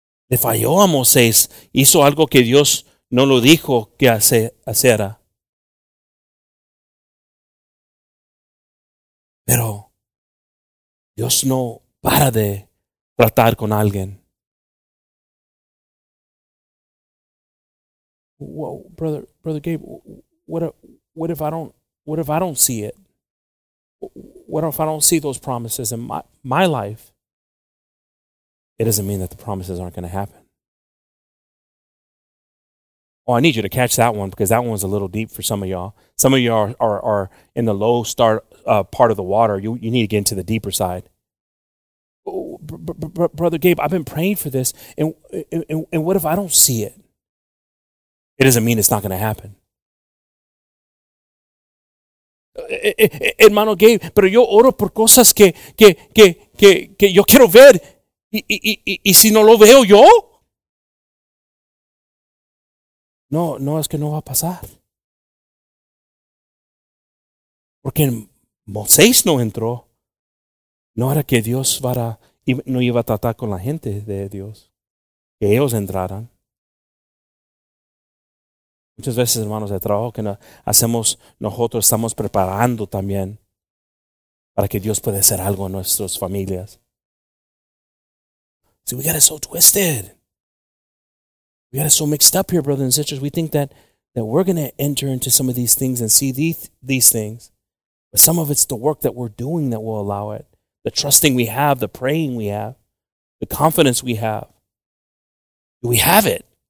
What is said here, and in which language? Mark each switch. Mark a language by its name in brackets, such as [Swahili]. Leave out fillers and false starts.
[Spanish] Le falló a Moisés. Hizo algo que Dios no lo dijo que hiciera. Pero Dios no para de tratar con alguien. [English] Well, brother Gabe, what if I don't see it? What if I don't see those promises in my life? It doesn't mean that the promises aren't going to happen. Oh, I need you to catch that one because that one's a little deep for some of y'all. Some of y'all are in the low start part of the water. You need to get into the deeper side. Oh, brother Gabe, I've been praying for this, and what if I don't see it? It doesn't mean it's not going to happen. [Spanish] Hermano Gabe, pero yo oro por cosas que yo quiero ver. Y si no lo veo yo? No, es que no va a pasar. Porque Moisés no entró. No era que Dios no iba a tratar con la gente de Dios. Que ellos entraran. Muchas veces, hermanos, el trabajo que hacemos nosotros estamos preparando también para que Dios pueda hacer algo en nuestras familias. [English] See, we got it so twisted. We got it so mixed up here, brothers and sisters. We think that we're going to enter into some of these things and see these things. But some of it's the work that we're doing that will allow it. The trusting we have, the praying we have, the confidence we have. Do we have it?